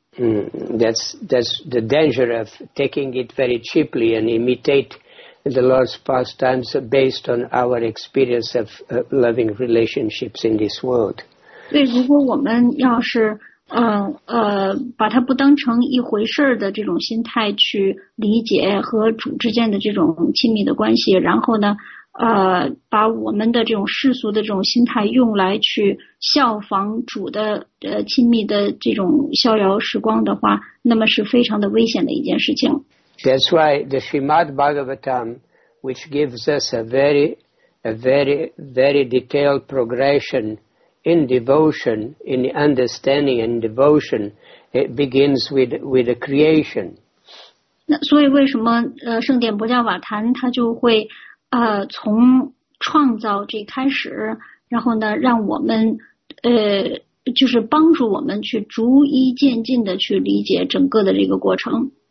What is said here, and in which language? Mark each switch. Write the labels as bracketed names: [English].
[English] That's the danger of taking it very cheaply and imitate the Lord's pastimes based on our experience of loving relationships in this world. [Chinese] 对，如果我们要是把它不当成一回事的这种心态去理解和主之间的这种亲密的关系，然后呢，把我们的这种世俗的这种心态用来去效仿主的亲密的这种逍遥时光的话，那么是非常的危险的一件事情。 [English] That's why the Srimad Bhagavatam, which gives us a very detailed progression in devotion, in the understanding and devotion, it begins with the creation. [Chinese] 那所以为什么圣典薄伽瓦坛它就会从创造这开始，然后呢让我们就是帮助我们去逐一渐进的去理解整个的这个过程。